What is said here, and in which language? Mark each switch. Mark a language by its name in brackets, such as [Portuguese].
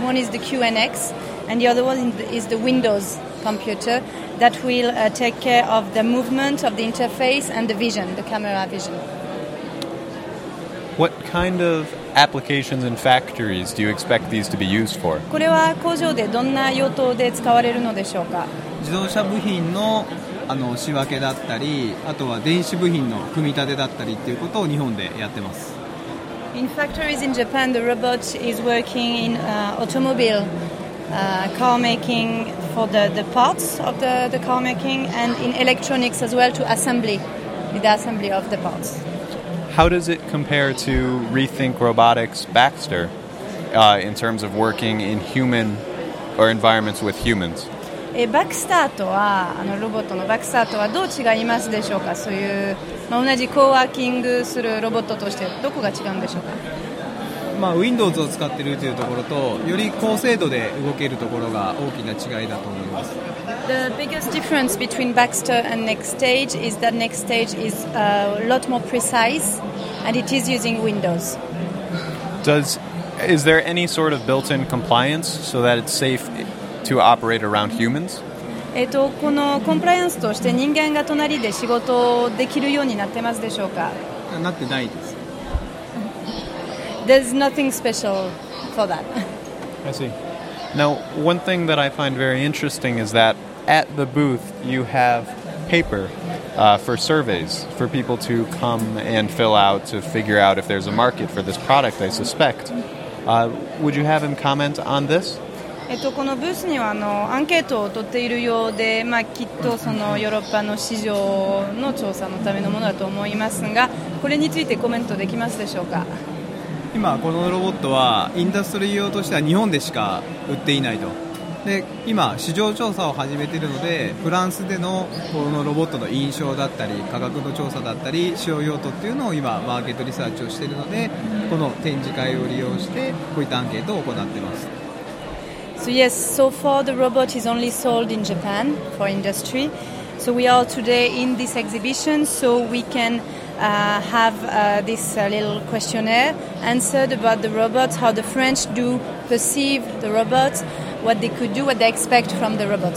[English] One is the QNX and the other one is the Windows computer that will take care of the movement of the interface and the vision, the camera vision. What kind of applications in factories do you expect these to be used for? [Japanese] これは工場でどんな用途で使われるのでしょうか？自動車部品の仕分けだったり、あとは電子部品の組み立てだったりっていうことを日本でやってます。 [English] In factories in Japan, the robot is working in automobile car making for the parts of the car making and in electronics as well to assembly, with the assembly of the parts. How does it compare to Rethink Robotics Baxter in terms of working in human or environments with humans? [Japanese] バックスタートはあのロボットのバックスタートはどう違いますでしょうか。そういう、まあ、同じコーワーキングするロボットとしてどこが違うんでしょうか。まあ、Windows を使っているというところとより高精度で動けるところが大きな違いだと思います。 [English] The biggest difference between Baxter and Next Stage is that Next Stage is a lot more precise and it is using Windows. Is there any sort of built-in compliance so that it's safe to operate around humans? [Japanese] このコンプライアンスとして人間が隣で仕事をできるようになってますでしょうか。なってないです。 [English] There's nothing special for that. I see. Now, one thing that I find very interesting is that at the booth you have paper for surveys for people to come and fill out to figure out if there's a market for this product, I suspect. Would you have him comment on this? [Japanese] このブースにはアンケートを取っているようで、まあ、きっとそのヨーロッパの市場の調査のためのものだと思いますが、これについてコメントできますでしょうか。今このロボットはインダストリー用としては日本でしか売っていないと。で今市場調査を始めているので、フランスでのこのロボットの印象だったり価格の調査だったり使用用途っていうのを今マーケットリサーチをしているので、この展示会を利用してこういったアンケートを行っています。 [English] So yes, so far the robot is only sold in Japan for industry. So we are today in this exhibition so we canhave this little questionnaire answered about the robots, how the French do perceive the robots, what they could do, what they expect from the robot.